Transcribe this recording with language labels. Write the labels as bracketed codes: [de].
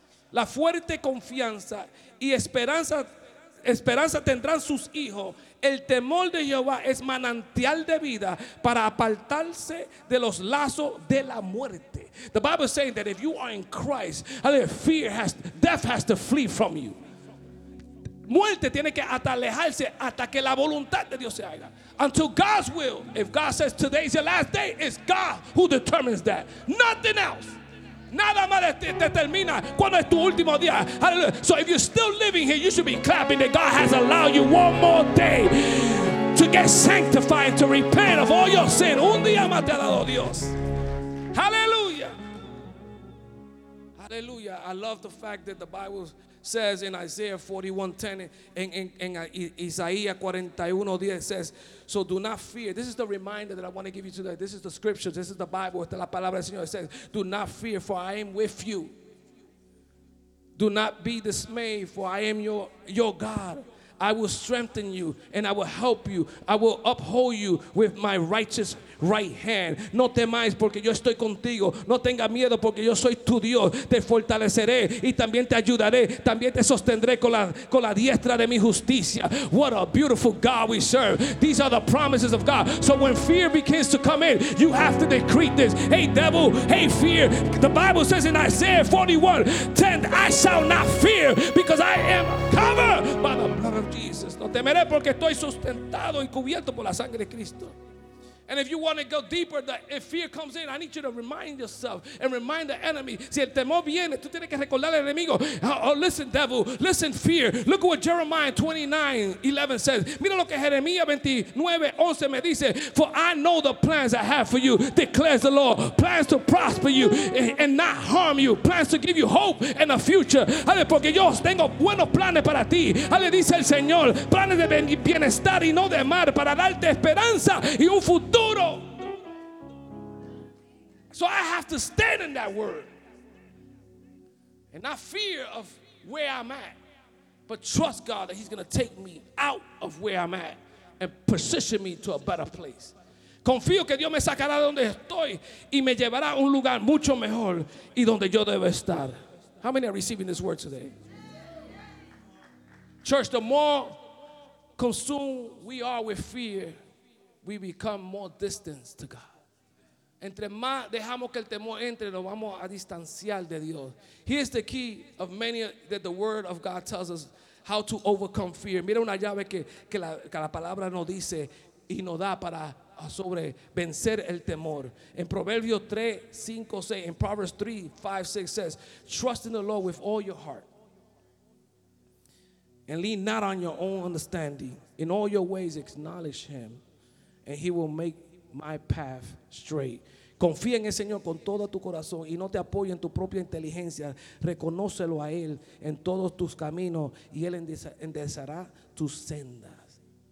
[es] La fuerte confianza y esperanza, esperanza tendrán sus hijos. El temor de Jehová es manantial de vida para apartarse de los lazos de la muerte. [en] The Bible is saying that if you are in Christ, fear has, death has to flee from you. [es] Muerte tiene que alejarse hasta que la voluntad de Dios se haga. [en] Until God's will. If God says today is your last day, it's God who determines that. Nothing else. [es] Nada más determina cuando es tu último día. Hallelujah. [en] So if you're still living here, you should be clapping that God has allowed you one more day to get sanctified, to repent of all your sin. [es] Un día más te ha dado Dios. Hallelujah. Hallelujah. [en] I love the fact that the Bible says in Isaiah 41:10 and Isaiah 41:10 says, so do not fear. This is the reminder that I want to give you today. This is the scripture. This is the Bible. [es] Esta la palabra del Señor. [en] It says, do not fear, for I am with you. Do not be dismayed, for I am your God. I will strengthen you and I will help you. I will uphold you with my righteous right hand. [es] No temáis porque yo estoy contigo. No tenga miedo porque yo soy tu Dios. Te fortaleceré y también te ayudaré. También te sostendré con la diestra de mi justicia. [en] What a beautiful God we serve. These are the promises of God. So when fear begins to come in, you have to decree this. Hey devil, hey fear. The Bible says in Isaiah 41:10, I shall not fear because I am covered by the blood of Jesus. [es] No temeré porque estoy sustentado y cubierto por la sangre de Cristo. [en] And if you want to go deeper, that if fear comes in, I need you to remind yourself and remind the enemy. [es] Si el temor viene, tú tienes que recordar al enemigo. [en] Oh, listen, devil. Listen, fear. Look at what Jeremiah 29:11 says. [es] Mira lo que Jeremiah 29:11 me dice. [en] For I know the plans I have for you, declares the Lord. Plans to prosper you and not harm you. Plans to give you hope and a future. [es] Ale, porque yo tengo buenos planes para ti. Ale, dice el Señor. Planes de bienestar y no de mal, para darte esperanza y un futuro. Duro. [en] So I have to stand in that word and not fear of where I'm at, but trust God that he's going to take me out of where I'm at and position me to a better place. [es] Confío que Dios me sacará de donde estoy y me llevará a un lugar mucho mejor y donde yo debo estar. [en] How many are receiving this word today? Church, the more consumed we are with fear, we become more distant to God. [es] Entre más dejamos que el temor entre, nos vamos a distanciar de Dios. [en] Here's the key of many that the word of God tells us how to overcome fear. [es] Mira una llave que la palabra nos dice y nos da para sobre vencer el temor. En Proverbios 3, 5, 6, [en] in Proverbs 3, 5, 6 says, trust in the Lord with all your heart and lean not on your own understanding. In all your ways acknowledge him, and he will make my path straight. [es] Confía en el Señor con todo tu corazón y no te apoye en tu propia inteligencia. Reconócelo a él en todos tus caminos y él enderezará tus sendas.